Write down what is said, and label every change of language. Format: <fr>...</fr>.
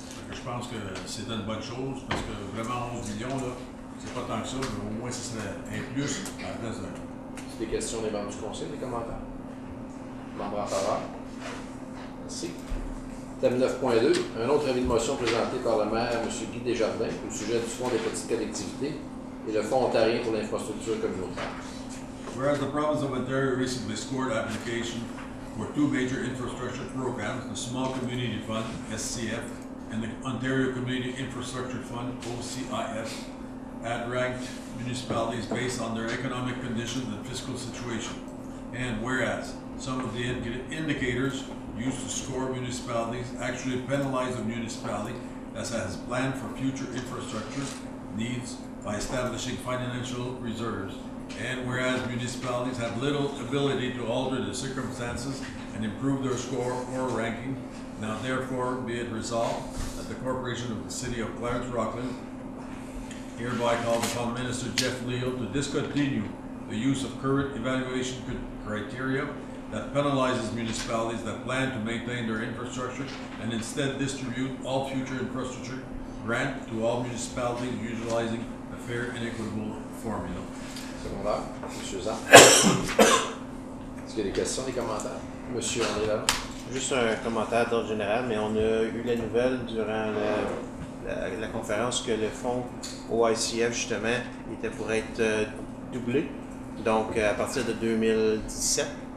<fr>Je pense que c'est une bonne chose parce que vraiment 11 millions, là, c'est pas tant que ça, mais au moins ce serait un plus à la place d'un. C'est des questions des membres du conseil, des commentaires. Membre en faveur. Merci. Thème 9.2. Un autre avis de motion présenté par le maire, M. Guy Desjardins, au sujet du Fonds des petites collectivités et le Fonds ontarien pour l'infrastructure communautaire.</fr> <en>Whereas the province of Ontario recently scored application for two major infrastructure programs, the Small Community Fund, SCF, and the Ontario Community Infrastructure Fund, OCIF, had ranked municipalities based on their economic conditions and fiscal situation. And whereas some of the indicators used to score municipalities actually penalize a municipality as has planned for future infrastructure needs by establishing financial reserves. And whereas municipalities have little ability to alter the circumstances and improve their score or ranking, now therefore be it resolved that the Corporation of the City of Clarence Rockland hereby calls upon Minister Jeff Leal to discontinue the use of current evaluation criteria that penalizes municipalities that plan to maintain their infrastructure and instead distribute all future infrastructure grant to all municipalities utilizing a fair and equitable formula.</en> <fr>Secondaire, M. Zan. Est-ce qu'il y a des questions, des commentaires? M. André Lalonde. Juste un commentaire d'ordre général, mais on a eu la nouvelle durant la conférence que le fonds OICF, justement, était pour être doublé, donc à partir de 2017.</fr>